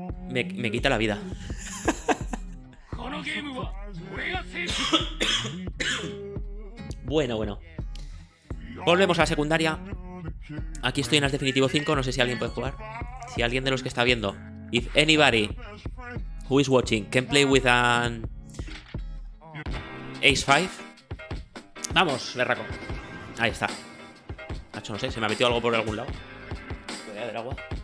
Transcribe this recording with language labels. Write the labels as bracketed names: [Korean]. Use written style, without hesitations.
[Spanish] Me quita la vida. Bueno. Volvemos a la secundaria. Aquí estoy en las definitivo 5. No sé si alguien puede jugar. Si alguien de los que está viendo. [English] If anybody who is watching can play with an Ace 5. [Spanish] Vamos, Berraco. Ahí está. Nacho, no sé, se me ha metido algo por algún lado. Voy a ver agua.